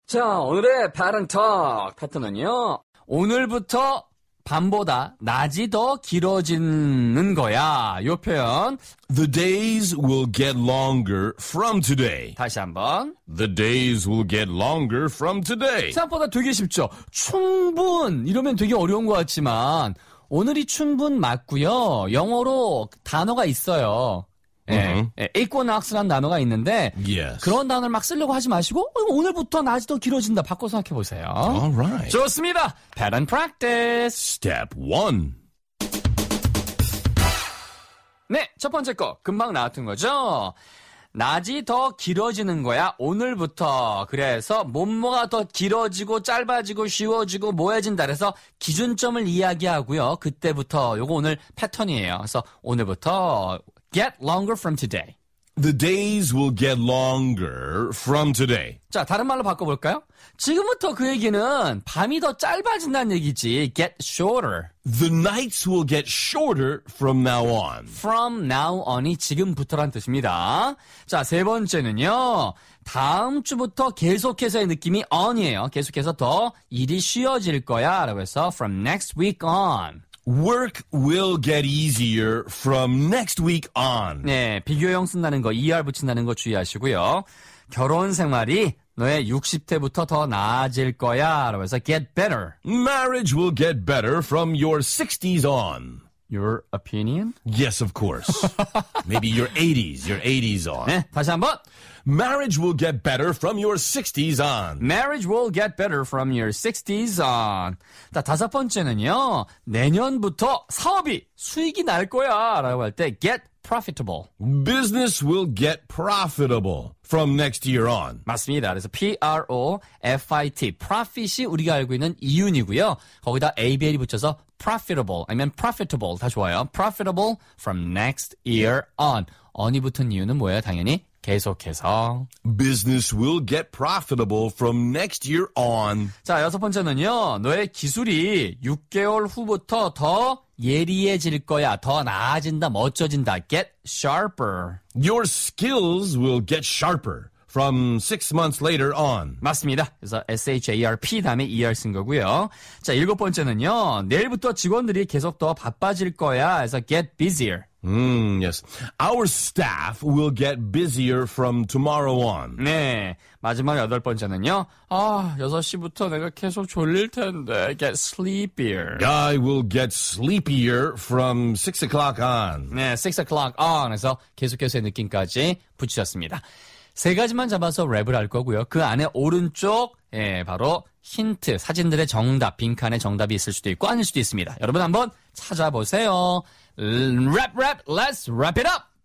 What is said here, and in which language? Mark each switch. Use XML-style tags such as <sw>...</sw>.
<ko>자, 오늘의 바른톡 패턴은요. 오늘부터 밤보다 낮이 더 길어지는 거야. 요 표현.</ko> <en>The days will get longer from today.</en> <ko>다시 한번.</ko> <en>The days will get longer from today.</en> <ko>생각보다 되게 쉽죠. 충분 이러면 되게 어려운 것 같지만 오늘이 충분 맞고요. 영어로 단어가 있어요. 예, 예, equinox라는 단어가 있는데</ko> <en>yes.</en> <ko>그런 단어를 막 쓰려고 하지 마시고 오늘부터 낮이 더 길어진다 바꿔 생각해 보세요.</ko> <en>Alright.</en> <ko>좋습니다.</ko> <en>Pattern practice. Step 1.</en> <ko>네, 첫 번째 거 금방 나왔던 거죠. 낮이 더 길어지는 거야 오늘부터. 그래서 뭐뭐가 더 길어지고 짧아지고 쉬워지고 뭐해진다 그래서 기준점을 이야기하고요. 그때부터 요거 오늘 패턴이에요. 그래서 오늘부터</ko> <en>Get longer from today. The days will get longer from today.</en> <ko>자, 다른 말로 바꿔볼까요? 지금부터 그 얘기는 밤이 더 짧아진다는 얘기지.</ko> <en>Get shorter. The nights will get shorter from now on. From now on</en> <ko>이 지금부터란 뜻입니다. 자, 세 번째는요. 다음 주부터 계속해서의 느낌이 on이에요. 계속해서 더 일이 쉬워질 거야. 라고 해서</ko> <en>from next week on. Work will get easier from next week on.</en> <ko>네, 비교형 쓴다는 거, ER 붙인다는 거 주의하시고요. 결혼 생활이 너의 60대부터 더 나아질 거야. 라고 해서</ko> <en>get better. Marriage will get better from your 60s on. Your opinion? Yes, of course. Maybe your 80s, your 80s on.</en> <ko>네, 다시 한 번.</ko> <en>Marriage will get better from your 60s on. Marriage will get better from your 60s on.</en> <ko>자, 다섯 번째는요. 내년부터 사업이 수익이 날 거야 라고 할 때</ko> <en>get profitable.</en> <ko>Business will get profitable from next year on. 맞습니다. 그래서 P-R-O-F-I-T. Profit이 우리가 알고 있는 이윤이고요. 거기다 ABL이 붙여서 profitable.</ko> <en>I mean profitable.</en> <ko>다 좋아요.</ko> <en>Profitable from next year on.</en> <ko>on이 붙은 이유는 뭐예요? 당연히. 계속해서</ko> <en>business will get profitable from next year on.</en> <ko>자, 여섯 번째는요. 너의 기술이 6개월 후부터 더 예리해질 거야. 더 나아진다, 멋져진다.</ko> <en>Get sharper. Your skills will get sharper from 6 months later on.</en> <ko>맞습니다. 그래서 SHARP 다음에 ER 쓴 거고요. 자, 일곱 번째는요. 내일부터 직원들이 계속 더 바빠질 거야. 그래서</ko> <en>get busier. Yes. Our staff will get busier from tomorrow on.</en> <ko>네, 마지막 여덟 번째는요. 아, 6시부터 내가 계속 졸릴 텐데.</ko> <en>Get sleepier. I will get sleepier from 6 o'clock on.</en> <ko>네,</ko> <en>6 o'clock on.</en> <ko>해서 계속해서의 느낌까지 붙이셨습니다. 세 가지만 잡아서 랩을 할 거고요. 그 안에 오른쪽, 예, 바로 힌트, 사진들의 정답, 빈칸의 정답이 있을 수도 있고 아닐 수도 있습니다. 여러분 한번 찾아보세요.</ko> <en>Rap, rap, let's wrap it up!</en>